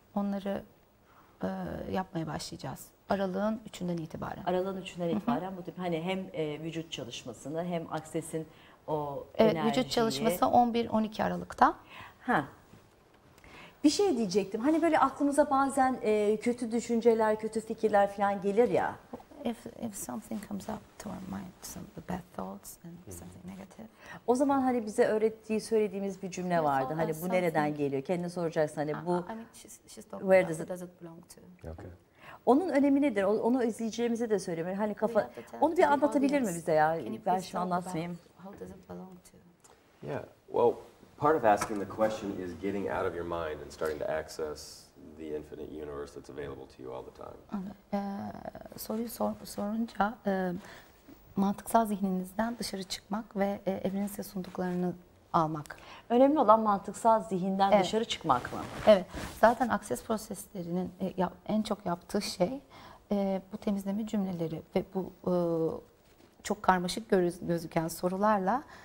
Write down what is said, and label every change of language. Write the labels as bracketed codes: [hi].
[tr] Onları yapmaya başlayacağız. Aralığın 3'ünden itibaren. Aralığın 3'ünden itibaren bu tip hani hem vücut çalışmasını hem Access'in o enerjiyi. Vücut çalışması 11-12 Aralık'ta. Ha. Bir şey diyecektim. Hani böyle aklımıza bazen kötü düşünceler, kötü fikirler falan gelir ya. [en] If something comes up to our mind, some of the bad thoughts and something negative. [tr] O zaman hani bize öğrettiği söylediğimiz bir cümle vardı. Hani bu nereden geliyor? Kendine soracaksın hani bu. [en] I mean, she's talking where about does it belong to? Okay. [tr] Onun önemi nedir? Onu izleyicilerimize de söylemeli. Hani kafa. Onu bir anlatabilir mi bize ya? Ben şimdi anlatmayayım. [en] How does it belong to? Yeah. Well, part of asking the question is getting out of your mind and starting to access the infinite universe that's available to you all the time. [tr] Soruyu sorunca mantıksal zihninizden dışarı çıkmak ve evrenin size sunduklarını almak. Önemli olan mantıksal zihinden dışarı çıkmak mı? Evet. Zaten akses proseslerinin en çok yaptığı şey bu temizleme cümleleri ve bu çok karmaşık gözüken sorularla